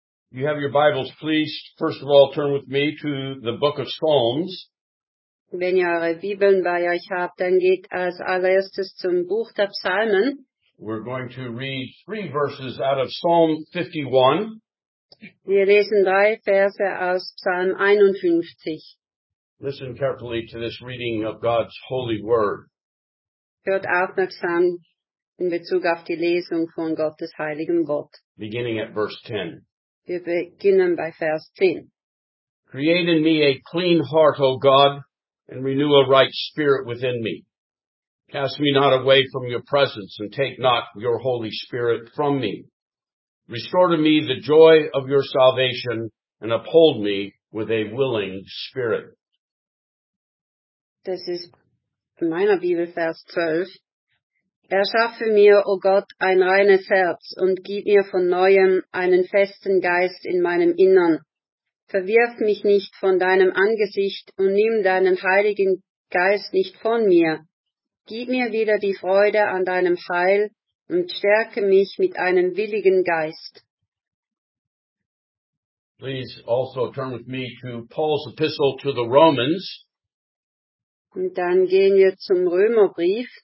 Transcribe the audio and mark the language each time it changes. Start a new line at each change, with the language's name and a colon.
English: You have your Bibles, please. First of all, turn with me to the book of Psalms.
German: Wenn ihr eure Bibeln bei euch habt, dann geht als allererstes zum Buch der Psalmen.
English: We're going to read three verses out of Psalm 51.
German: Wir lesen drei Verse aus Psalm 51.
English: Listen carefully to this reading of God's holy word.
German: Hört aufmerksam in Bezug auf die Lesung von Gottes heiligem Wort.
English: Beginning at verse 10.
German: Wir beginnen bei Vers 10.
English: Create in me a clean heart, O God, and renew a right spirit within me. Cast me not away from your presence, and take not your Holy Spirit from me. Restore to me the joy of your salvation, and uphold me with a willing spirit.
German: Das ist in meiner Bibel Vers 12. Erschaffe mir, O Gott, ein reines Herz und gib mir von Neuem einen festen Geist in meinem Innern. Verwirf mich nicht von deinem Angesicht und nimm deinen Heiligen Geist nicht von mir. Gib mir wieder die Freude an deinem Heil und stärke mich mit einem willigen Geist.
English: Please also turn with me to Paul's epistle to the Romans.
German: Und dann gehen wir zum Römerbrief.